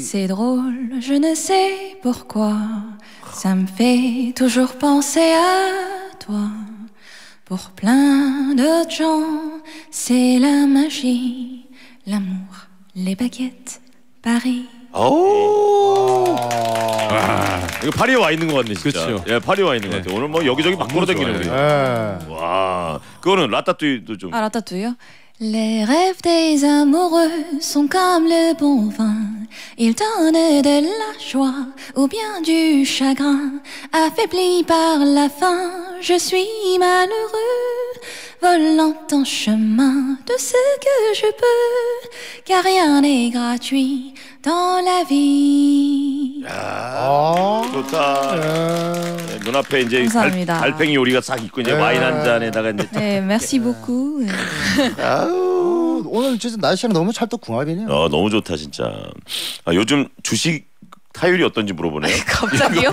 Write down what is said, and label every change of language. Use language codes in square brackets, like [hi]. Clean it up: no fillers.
[fr] C'est drôle, je ne sais pourquoi, ça me fait toujours penser à toi. Pour plein d'autres gens, c'est la magie, l'amour, les baguettes, Paris. [ko] 오! 와. 이거 파리에 와 있는 것 같네 진짜. 그쵸. 예, 파리에 와 있는 것 같아. 오늘 뭐 여기저기 막 걸어다니는 거예요. 와, 그거는 라따뚜이도 좀. 아, 라따뚜이요? [fr] Les rêves des amoureux sont comme le bon vin. Ils donnent de la joie ou bien du chagrin. Affaibli par la faim, je suis malheureux. Volant en chemin de ce que je peux. Car rien n'est gratuit dans la vie. [ko] 야, 좋다. 네, 눈앞에 이제 달팽이 요리가 싹 있고 이제 와인 한 잔에다가 이제 네, [fr] merci beaucoup. [ko] 오늘 진짜 날씨가 너무 찰떡궁합이네요. 너무 좋다 진짜. 요즘 주식 타율이 어떤지 물어보네요. 갑자기요?